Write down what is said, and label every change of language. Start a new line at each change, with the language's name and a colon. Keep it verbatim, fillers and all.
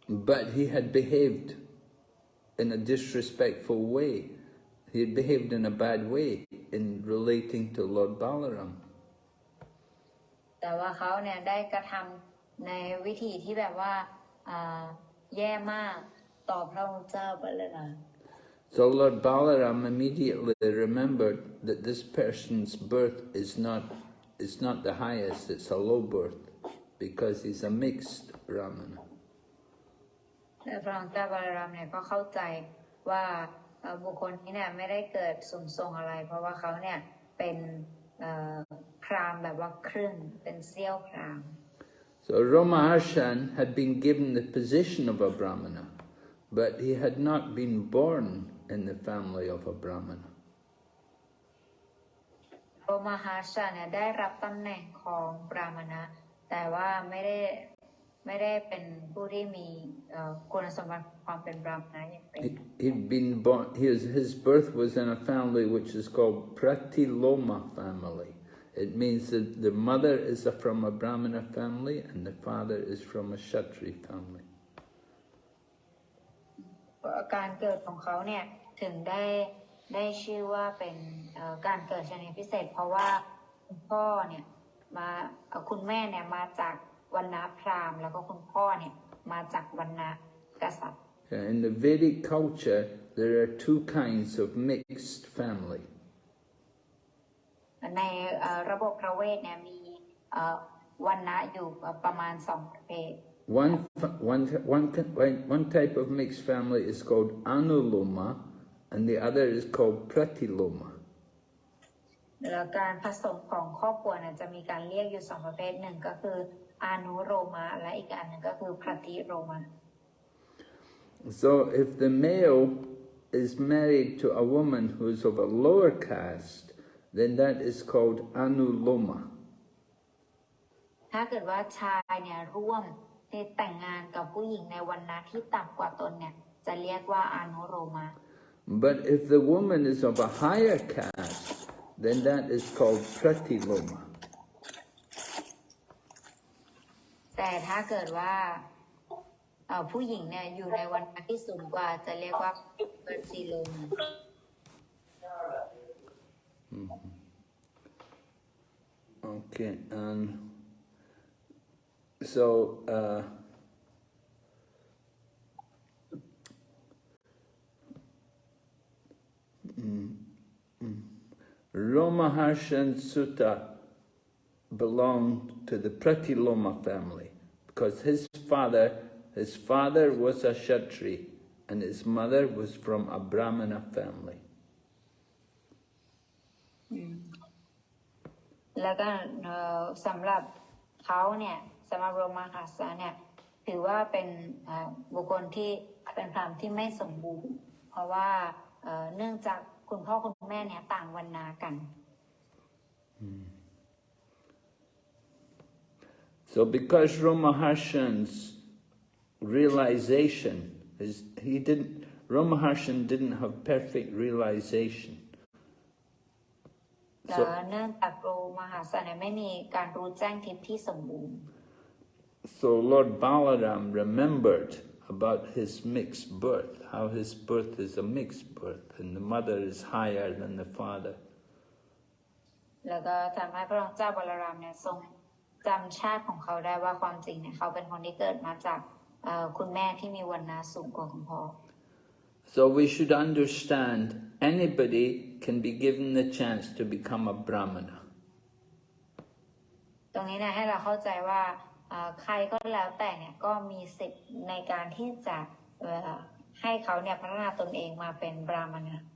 English: But he had behaved in a disrespectful way. He had behaved in a bad way in relating to Lord Balaram.
Thai: แต่ว่าเขาเนี่ยได้กระทำในวิธีที่แบบว่าเอ่อแย่มากต่อพระองค์เจ้าบาลาม
English: So Lord Balaram immediately remembered that this person's birth is not, is not the highest, it's a low birth, because he's a mixed Brahmana.
Thai: และพระองค์เจ้าบาลามเนี่ยก็เข้าใจว่าเอ่อบุคคลนี้เนี่ยไม่ได้เกิดสุ่มทรงอะไร เพราะว่าเขาเนี่ยเป็นเอ่อพราหมณ์แบบว่าครึ่งเป็นเสี้ยวพราหมณ์
English: So Romaharshan had been given the position of a Brahmana, but he had not been born in the family of a Brahmana.
Thai: โรมหาชาเนี่ยได้รับตำแหน่งของบราหมณะแต่ว่าไม่ได้ไม่ได้เป็นผู้ที่มีเอ่อคุณสมบัติความเป็นบราหมณะอย่างเป็น
English: He, he'd been born, his, his birth was in a family which is called Pratiloma family. It means that the mother is a- from a Brahmana family and the father is from a Kshatri family.
Thai: การเกิดของเขาเนี่ยถึงได้ได้ชื่อว่าเป็นเอ่อการเกิดชนิดพิเศษ เพราะว่าคุณพ่อเนี่ยมาเอ่อคุณแม่เนี่ยมาจากวรรณะพราหมณ์แล้วก็คุณพ่อเนี่ยมาจากวรรณะกษัตริย์
English: In the Vedic culture, there are two kinds of mixed family.
Thai: ในเอ่อระบบพระเวทเนี่ยมีเอ่อวรรณะอยู่ประมาณสองประเภท
English: One, fa- one, one, ki- one one type of mixed family is called Anuloma, and the other is called Pratiloma.
Thai: แล้วการผสมของครอบครัวเนี่ยจะมีการเรียกอยู่สองประเภทหนึ่งก็คืออานุโรมะและอีกอันหนึ่งก็คือพรติโรมะ
English: So if the male is married to a woman who is of a lower caste, then that is called Anuloma.
Thai: ถ้าเกิดว่าชายเนี่ยร่วมที่แต่งงานกับผู้หญิงในวรรณะที่ต่ำกว่าตนเนี่ยจะเรียกว่าอานุโรมะ
English: But if the woman is of a higher caste, then that is called Pratiloma.
Thai: แต่ถ้าเกิดว่าเอ่อผู้หญิงเนี่ยอยู่ในวรรณะที่สูงกว่าจะเรียกว่าปฏิโลมะ
English: Okay, and so uh, Romaharshan Sutta belonged to the Pratiloma family because his father, his father was a Kshatri and his mother was from a Brahmana family.
Thai: แล้วก็เอ่อสำหรับเขาเนี่ยสำหรับโรมาหัสสะเนี่ยถือว่าเป็นเอ่อบุคคลที่เป็นพราหมณ์ที่ไม่สมบูรณ์ เพราะว่าเอ่อเนื่องจากคุณพ่อคุณแม่เนี่ยต่างวรรณะกัน
English: So because Romaharshan's realization is he didn't Romaharshan didn't have perfect realization.
Thai: แต่
English: So
Thai: เนื่องจากโรมาหัสสะเนี่ยไม่มีการรู้แจ้งทิพย์ที่สมบูรณ์
English: so Lord Balaram remembered about his mixed birth, how his birth is a mixed birth and the mother is higher than the father.
Thai: แล้วก็ทำให้พระองค์เจ้าบาลารามเนี่ยทรงจำชาติของเขาได้ว่าความจริงเนี่ยเขาเป็นคนที่เกิดมาจากเอ่อคุณแม่ที่มีวรรณะสูงกว่าคุณพ่อ
English: So we should understand anybody can be given the chance to become a Brahmana.
Thai: ตรงนี้เนะให้เราเข้าใจว่าเอ่อใครก็แล้วแต่เนี่ยก็มีสิทธิ์ในการที่จะเอ่อให้เขาเนี่ยพัฒนาตนเองมาเป็นบราหมณะ